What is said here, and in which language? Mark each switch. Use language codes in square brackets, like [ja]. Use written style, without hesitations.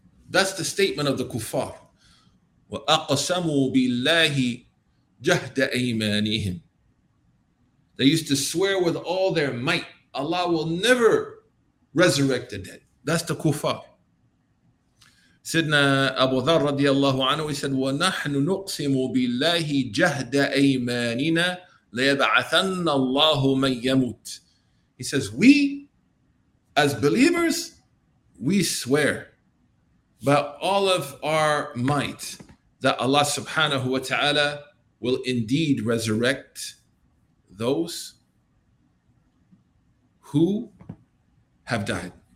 [en] That's the statement of the kuffar. [ar] وَأَقْسَمُوا بِاللَّهِ جَهْدَ أَيْمَانِهِمْ. [en] They used to swear with all their might, Allah will never resurrect the dead. That's the kufar. Sidna Abu Dharr radiallahu anhu, he said, [ar] وَنَحْنُ نُقْسِمُ بِاللَّهِ جَهْدَ أَيْمَانِنَا لَيَبْعَثَنَّ اللَّهُ مَنْ يَمُوتُ. [en] He says, we, as believers, we swear by all of our might that Allah subhanahu wa ta'ala will indeed resurrect those who have died.